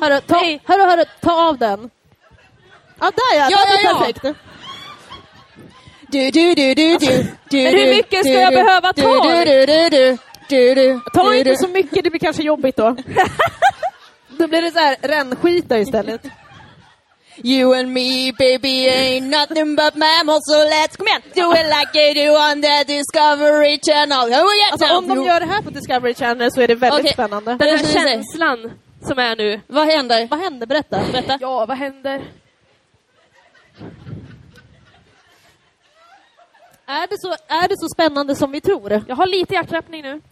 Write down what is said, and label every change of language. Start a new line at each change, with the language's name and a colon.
Swedish: Hörru, ta av den. Ja, där ja. Där ja. Perfekt. Du. Men hur mycket ska jag behöva ta? Du. Ta inte så mycket, det blir kanske jobbigt då. Då blir det så här rännskita istället.
English: You and me, baby, ain't nothing but mammals, so let's come on. Do it like you do on the Discovery Channel. Oh, yeah,
Swedish: alltså, om de gör det här på Discovery Channel så är det väldigt spännande. Den här känslan som är nu. Vad händer? Vad händer? Berätta. Berätta. Ja, vad händer? Är det så spännande som vi tror? Jag har lite hjärtklappning nu.